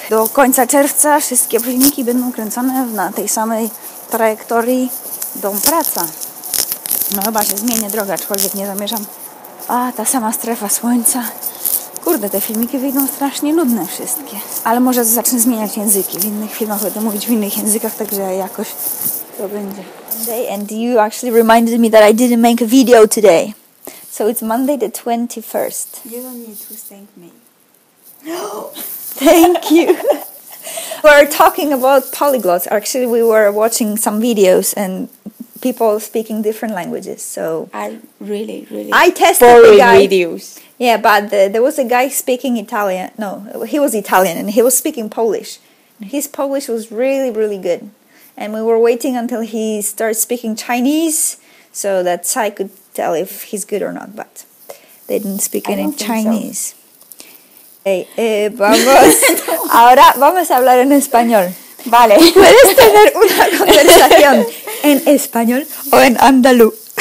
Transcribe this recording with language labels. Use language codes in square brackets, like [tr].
[pl] Do końca czerwca wszystkie filmiki będą kręcone na tej samej trajektorii dom praca. No chyba się zmieni droga, aczkolwiek nie zamierzam. A, ta sama strefa słońca. Kurde, te filmiki wyjdą strasznie nudne wszystkie. Ale może zacznę zmieniać języki. W innych filmach będę mówić w innych językach, także jakoś to będzie. [en] Monday and you actually reminded me that I didn't make a video today. So it's Monday the 21st. You don't need to thank me. Thank you. We're talking about polyglots. Actually, we were watching some videos and people speaking different languages. So I really, really. I tested boring the guy. Videos. Yeah, but there was a guy speaking Italian. No, he was Italian and he was speaking Polish. His Polish was really, really good. And we were waiting until he starts speaking Chinese so that Sai could tell if he's good or not. But they didn't speak any Chinese. So. [es] Vamos. Ahora vamos a hablar en español. Vale. Puedes tener una conversación en español o en andalú.